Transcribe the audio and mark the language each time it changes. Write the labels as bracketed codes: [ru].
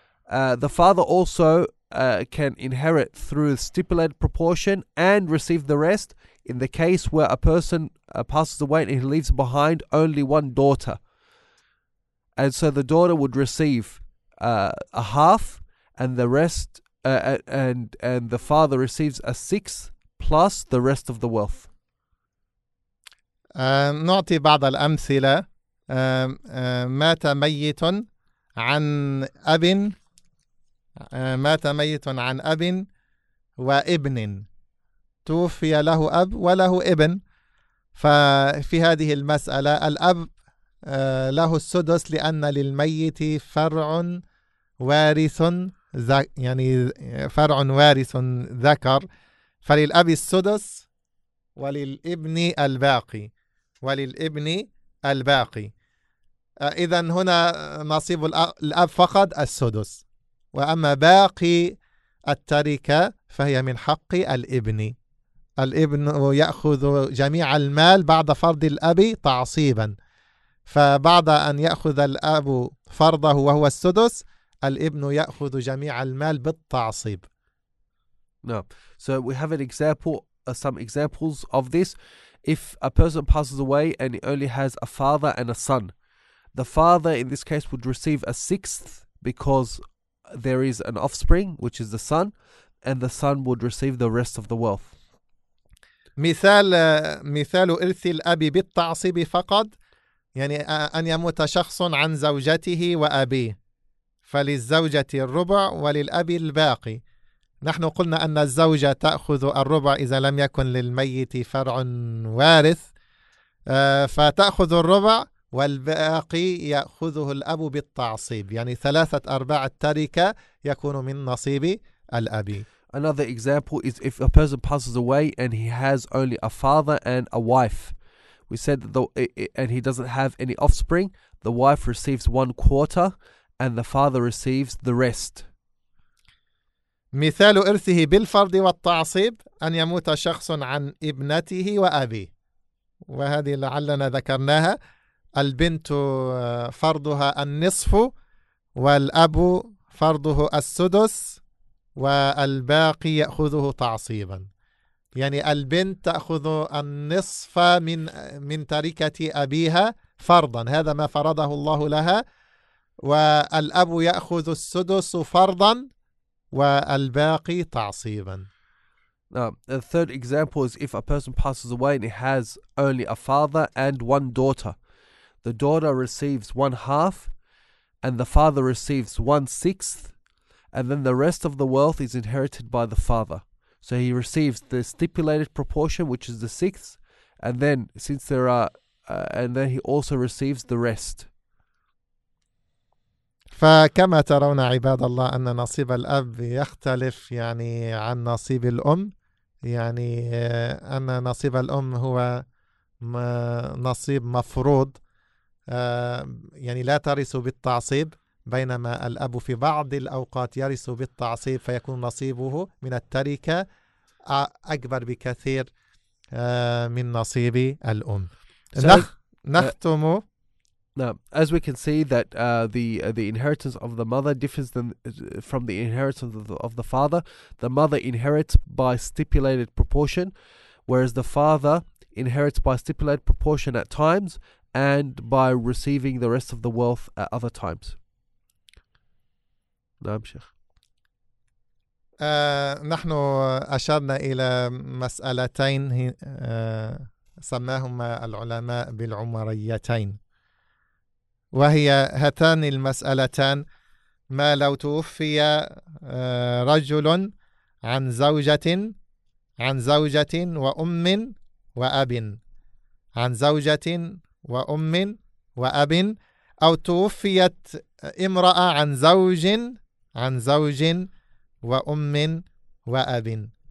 [en] The father also can inherit through stipulated proportion and receive the rest in the case where a person passes away and he leaves behind only one daughter. And so the daughter would receive a half and the rest, and the father receives 1/6 plus the rest of the wealth. [ar] نعطي بعض الأمثلة. مات ميت عن أب مات ميت عن أب وابن، توفي له أب وله ابن. ففي هذه المسألة الأب له السدس لأن للميت فرع وارث يعني فرع وارث ذكر، فللأب السدس وللابن الباقي، وللابن الباقي. إذن هنا نصيب الأب فقط السدس، وأما باقي التركة فهي من حق الابن. الابن يأخذ جميع المال بعد فرض الأب تعصيبا، فبعد أن يأخذ الأب فرضه وهو السدس، الابن يأخذ جميع المال بالتعصيب. [en] No. So we have an example, some examples of this. If a person passes away and he only has a father and a son, the father in this case would receive 1/6 because there is an offspring, which is the son, and the son would receive the rest of the wealth. [ar] مثال إرث الأب بالتعصيب فقط، يعني أن يموت شخص عن زوجته وأبيه، فللزوجة الربع وللأب الباقي. نحن قلنا أن الزوجة تأخذ الربع إذا لم يكن للميت فرع وارث، فتأخذ الربع والباقي يأخذه الأب بالتعصيب، يعني 3/4 التركة يكون من نصيب الأب. [en] Another example is if a person passes away and he has only a father and a wife. We said that and he doesn't have any offspring, the wife receives 1/4 and the father receives the rest. [ar] مثال إرثه بالفرض والتعصيب أن يموت شخص عن ابنته وأبيه، وهذه لعلنا ذكرناها، البنت فرضها النصف والأب فرضه السدس والباقي يأخذه تعصيبا، يعني البنت تأخذ النصف من تركة أبيها فرضا، هذا ما فرضه الله لها، والأب يأخذ السدس فرضا والباقي تعصيبا. [en] The third example is if a person passes away and he has only a father and one daughter. The daughter receives one half and the father receives one sixth, and then the rest of the wealth is inherited by the father. So he receives the stipulated proportion, which is the sixth, and then since there are and then he also receives the rest. [ar] فكما ترون عباد الله أن نصيب الأب يختلف يعني عن نصيب الأم، يعني أن نصيب الأم هو نصيب مفروض، يعني لا ترث بالتعصيب، بينما الأب في بعض الأوقات يرث بالتعصيب فيكون نصيبه من التركة أكبر بكثير من نصيب الأم. نختم. [en] Now, as we can see that the inheritance of the mother differs from the inheritance of the father. The mother inherits by stipulated proportion, whereas the father inherits by stipulated proportion at times and by receiving the rest of the wealth at other times. [ar] نعم شيخ. نحن أشرنا إلى مسألتين سماهما العلماء بالعمريتين. وهي هاتان المسألتان، ما لو توفي رجل عن زوجة، عن زوجة وأم وأب، عن زوجة وأم وأب، أو توفيت امرأة عن زوج، عن زوج وأم وأب.